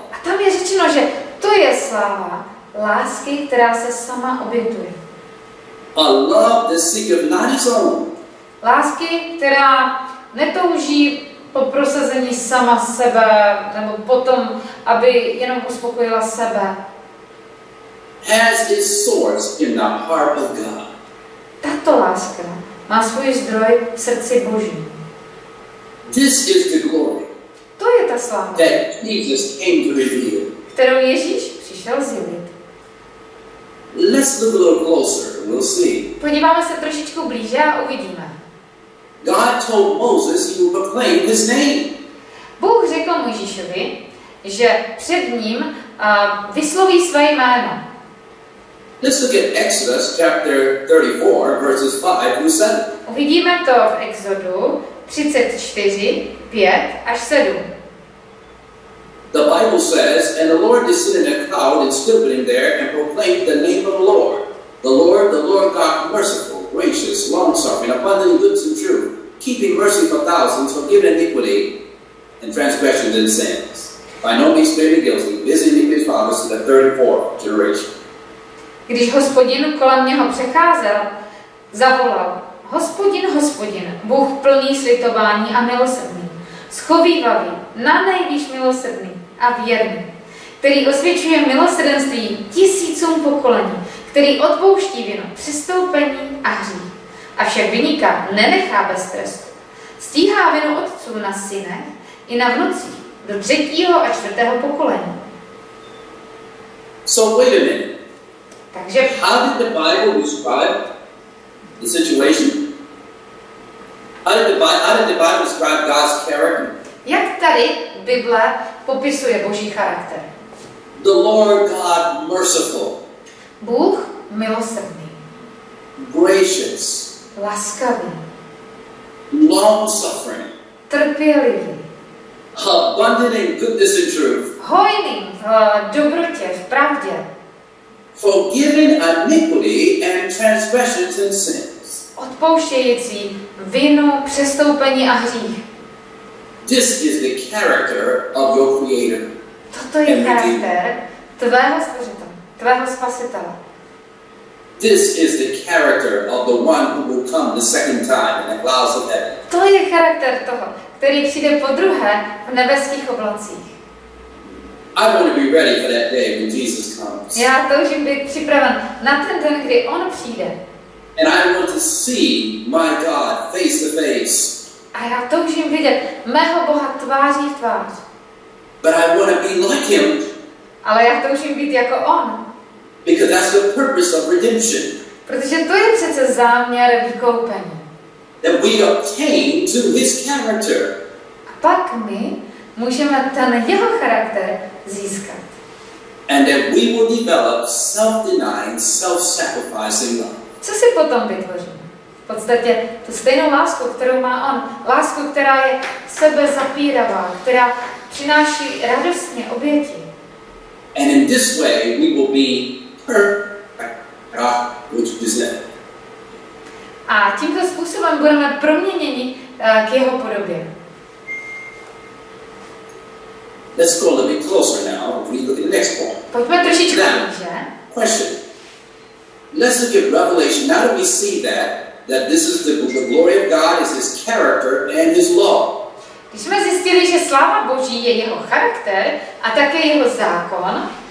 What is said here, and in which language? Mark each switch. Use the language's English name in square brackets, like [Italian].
[Czech] A tam je řečeno, že to je sláva lásky, která se sama obětuje. [English] A love that seeketh not its own. [Czech] Lásky, která netouží po prosazení sama sebe, nebo potom, aby jenom uspokojila sebe. [English] Has its source in the heart of God. [Czech] Tato láska má svůj zdroj v srdci Božím. [English] This is the glory. [Czech] To je ta sláva. [English] That Jesus came to reveal. [Czech] Kterou Ježíš přišel zjevit. [English] Let's look a little closer and we'll see. [Czech] Podíváme se trošičku blíže a uvidíme. [English] God told Moses he will proclaim his name. [Czech] Bůh řekl Mojžíšovi, že před ním vysloví své jméno. [English] Let's look at Exodus chapter 34, verses 5 through 7. [Czech] Uvidíme to v Exodu 34, 5 až 7. [English] The Bible says, and the Lord descended in a cloud and stood with him there and proclaimed the name of the Lord God merciful, gracious, long-suffering, abundant in goods and truth, keeping mercy for thousands, forgiving iniquity and transgressions and sins. By no means may be guilty, visiting his fathers to the third and fourth generation. [Czech] Když Hospodin kolem něho přecházel, zavolal: Hospodin, Hospodin, Bůh plný slitování a milosrdný, schovývavý, na nejvýš milosrdný a věrný, který osvědčuje milosrdenství tisícům pokolení, který odpouští vinu, přestoupení a hřích. Avšak viníka nenechá bez trestu. Stíhá vinu otců na synech i na vnucích do třetího a čtvrtého pokolení. [English] So wait a minute. [Czech] Takže [English] how did the Bible describe the situation? How did the Bible describe God's character? [Czech] Jak tady Bible popisuje Boží charakter? [English] The Lord God merciful. [Czech] Bůh milosrdný. [English] Gracious. [Czech] Laskavý. [English] Long-suffering. [Czech] Trpělivý. [English] Abundant in goodness and truth. [Czech] Hojný v dobrotě, v pravdě. [English] Forgiving iniquity and transgressions and sins. [Czech] Odpouštějící vinu, přestoupení a hřích. [English] This is the character of your creator. [Czech] Toto je charakter tvého stvořitele, tvého spasitele. [English] This is the character of the one who will come the second time in the clouds of heaven. [Czech] To je charakter toho, který přijde podruhé v nebeských oblacích. [English] I want to be ready for that day when Jesus comes. [Czech] Já toužím být připraven na ten den, kdy on přijde. [English] And I want to see my God face to face. [Czech] A já toužím vidět mého Boha tváří v tvář. [English] But I want to be like him. [Czech] Ale já toužím být jako on. [English] Because that's the purpose of redemption. [Czech] Protože to je přece záměr vykoupení. [English] That we obtain to his character. [Czech] A pak my můžeme ten jeho charakter získat. [English] And then we will develop self-denying, self-sacrificing love. [Czech] Co si potom vytvoříme? V podstatě tu stejnou lásku, kterou má on. Lásku, která je sebezapíravá, která přináší radostně oběti. [English] And in this way we will be perfect, which is it. [Czech] A tímto způsobem budeme proměněni k jeho podobě. [English] Let's go a little bit closer now. We look at the next point. [Czech] Pojďme trošičku [English] now, question. Let's look at Revelation. Now that we see that this is the glory of God is His character and His law. [Czech] Když jsme zjistili, že sláva Boží je jeho charakter a také jeho zákon.